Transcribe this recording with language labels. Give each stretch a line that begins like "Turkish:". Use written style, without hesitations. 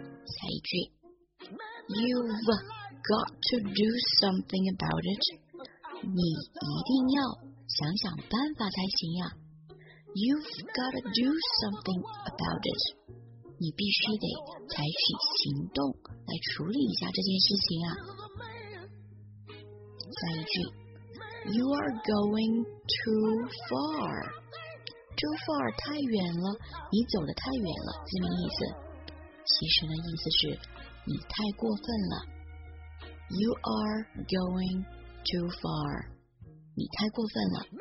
Chinese: 下一句
English: You've got to do something about it.
Chinese: 你一定要想想办法才行呀。
English: You've got to do something about it.
Chinese: 你必须得采取行动来处理一下这件事情啊。下一句
English: You are going too far.
Chinese: Too far 太远了你走得太远了字面意思其实呢意思是你太过分了
English: You are going too far
Chinese: 你太过分了